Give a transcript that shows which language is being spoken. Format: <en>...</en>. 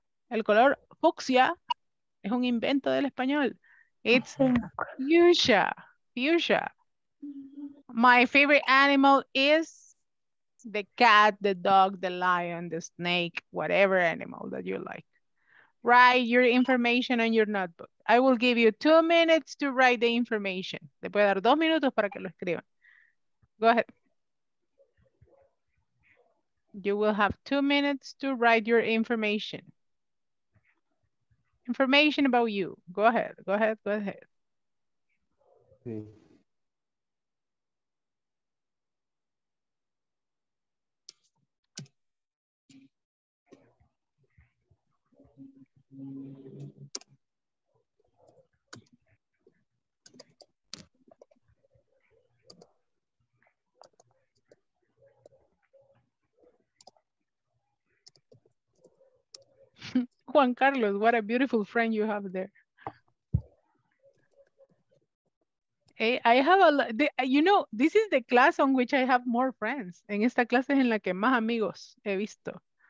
<es>El color fucsia es un invento del español.</es> <en>It's fuchsia, fuchsia. My favorite animal is the cat, the dog, the lion, the snake, whatever animal that you like. Write your information on your notebook. I will give you 2 minutes to write the information.</en> <es>Le puedo dar 2 minutos para que lo escriban.</es> <en>Go ahead. You will have 2 minutes to write your information. Information about you. Go ahead, go ahead, go ahead. Juan Carlos, what a beautiful friend you have there. Hey, I have a lot, you know, this is the class on which I have more friends.</en> <es>En esta clase es en la que más amigos he visto.</es>